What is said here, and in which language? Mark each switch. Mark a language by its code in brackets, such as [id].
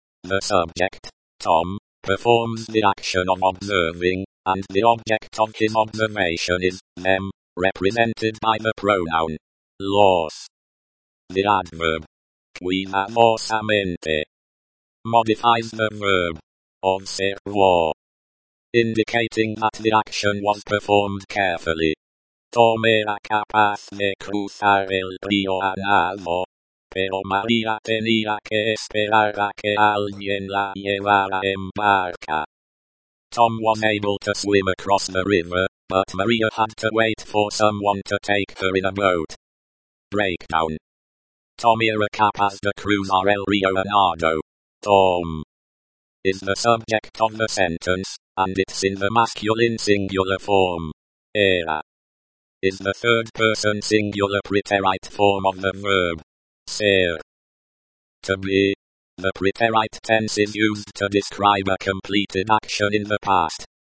[en] The subject, Tom, performs the action of observing, and the object of his observation is, them, represented by the pronoun, los. The adverb, cuidadosamente, modifies the verb, observó, indicating that the action was performed carefully. [es] Tom era capaz de cruzar el río a nado, pero María tenía que esperar a que alguien la llevara en barca. [en] Tom was able to swim across the river, but María had to wait for someone to take her in a boat. Breakdown. [es] Tom era capaz de cruzar el río a nado. [en] Tom is the subject of the sentence, and it's in the masculine singular form. Era is the third person singular preterite form of the verb. Ser. To be. The preterite tense is used to describe a completed action in the past.